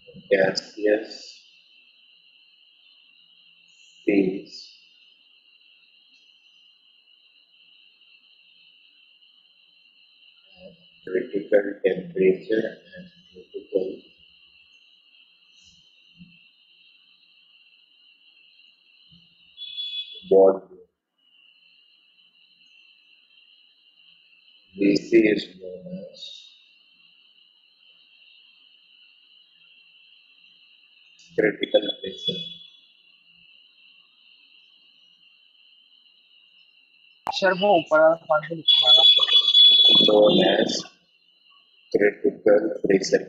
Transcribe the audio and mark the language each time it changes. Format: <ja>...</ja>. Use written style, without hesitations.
<en>gaseous phase at critical temperature and critical volume. VC is known as critical pressure.</en> <hi>Sir वो ऊपर वाला point भी लिखना है ना.</hi> <en>Known as critical pressure.</en>